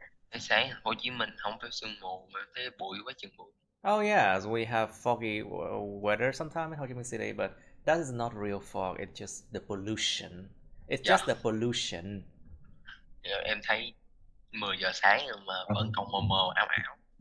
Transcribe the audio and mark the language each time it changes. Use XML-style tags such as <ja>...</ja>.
<vi>Tại sáng Hồ Chí Minh không phải sương mù mà thấy bụi quá chừng bụi.</vi> <en>Oh yeah, so we have foggy weather sometimes in Ho Chi Minh City, but that is not real fog. It's just the pollution. It's just the pollution.</en> <vi>Yeah, em thấy 10 giờ sáng mà vẫn còn mờ mờ ảo ảo.</vi>